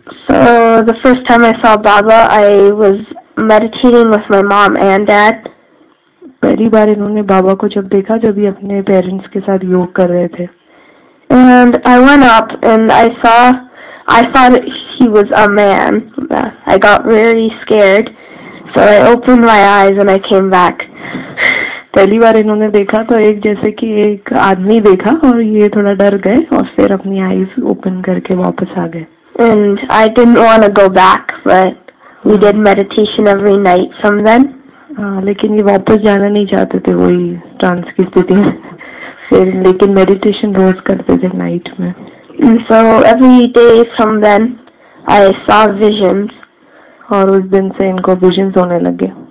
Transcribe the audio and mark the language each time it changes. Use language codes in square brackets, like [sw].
[en] So the first time I saw Baba, I was meditating with my mom and dad. [hi] पहली बार इन्होंने बाबा को जब देखा जब ये अपने parents के साथ योग कर रहे थे। [en] And I went up and I saw I thought he was a man. I got very scared. So I opened my eyes and I came back. [hi] पहली बार इन्होंने देखा तो एक जैसे कि एक आदमी देखा और ये थोड़ा डर गए और फिर अपनी आईज ओपन करके वापस आ गए. [en] And I didn't want to go back, but we did meditation every night from then. [hi] लेकिन ये वापस जाना नहीं चाहते थे वही ट्रांस की स्थिति में. फिर लेकिन मेडिटेशन रोज करते थे नाइट में. [en] So every day from then I saw visions. [hi] और उस दिन से इनको विजन्स होने लगे.